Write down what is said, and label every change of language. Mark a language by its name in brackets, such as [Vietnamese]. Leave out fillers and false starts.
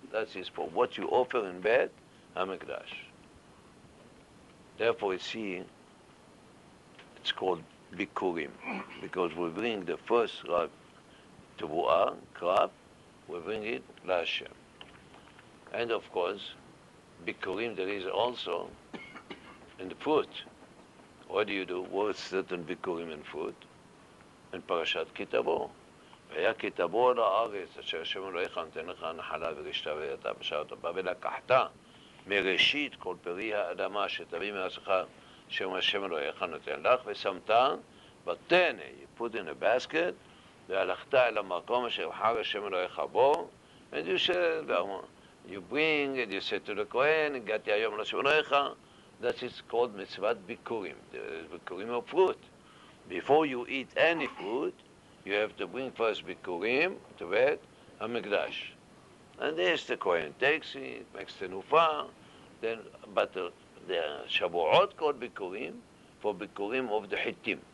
[English] That is for what you offer in Beit HaMikdash. Therefore, you see, it's called Bikurim, because we bring the first Tevuah, crop, we bring it Lashem. And of course, Bikurim, there is also in the fruit. What do you do? What's certain Bikurim in fruit? In Parashat Kitavo. [Hebrew] והיה כי תבוא על הארץ אשר השם אלוהיך נותן לך נחלה ורשתה ואתה בשר אותה בא ולקחת מראשית כל פרי האדמה שתביא מארצך אשר השם אלוהיך נותן לך ושמת בתנא, you put in a basket והלכת אל המקום אשר יבחר השם אלוהיך בו and you said, you bring and you said to the Kohen, הגעתי היום לשם אלוהיך, that is called מצוות ביקורים, ביקורים of fruit. [English] Before you eat any food, you have to bring first Bikurim to Beit HaMikdash. And there's the Kohen takes it, makes the Nufa, then but the, the Shavuot called Bikurim for Bikurim of the Hittim.